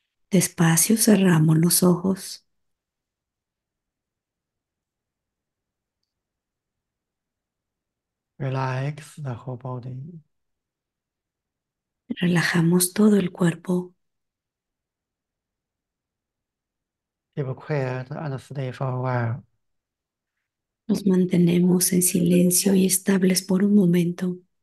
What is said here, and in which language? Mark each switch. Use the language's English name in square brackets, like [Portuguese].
[Spanish] Despacio cerramos los ojos. [English] Relax the whole body. [Spanish] Relajamos todo el cuerpo. [English] Keep quiet and stay for a while. [Spanish] Nos mantenemos en silencio y estables por un momento.